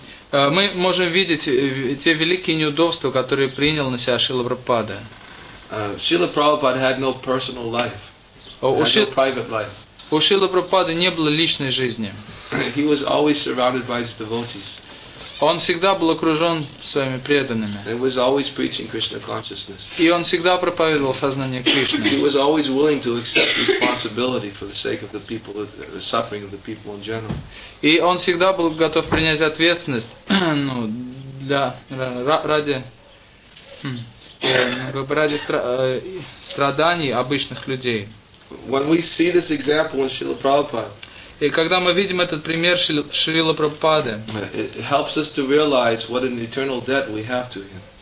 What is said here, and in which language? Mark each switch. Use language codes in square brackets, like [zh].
[ru] Мы можем видеть те великие неудобства, которые принял на себя Шрила Прабхупада. [en] Шрила Прабхупада had no personal life. He had no private life. [ru] У Шрилы Прабхупады не было личной жизни. [en] He was always surrounded by his devotees. [ru] Он всегда был окружен своими преданными. [en] He was always preaching Krishna consciousness. [ru] И он всегда проповедовал сознание Кришны. [en] He was always willing to accept responsibility for the sake of the people, the suffering of the people in general. [ru] И он всегда был готов принять ответственность, ну, Да, ради, ради страданий обычных людей. [en] When we see this example in Srila Prabhupada, [ru] и когда мы видим этот пример Шрилы Прабхупады, [en] it helps us to realize what an eternal debt we have to him.